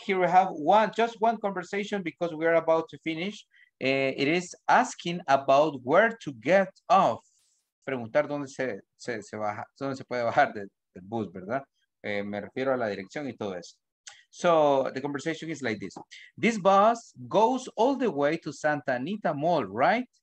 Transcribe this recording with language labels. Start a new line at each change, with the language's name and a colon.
English: Here we have just one conversation because we are about to finish. It is asking about where to get off.
Spanish: Preguntar dónde se baja, dónde se puede bajar del bus, ¿verdad? Me refiero a la dirección y todo eso.
English: So the conversation is like this. This bus goes all the way to Santa Anita Mall, right?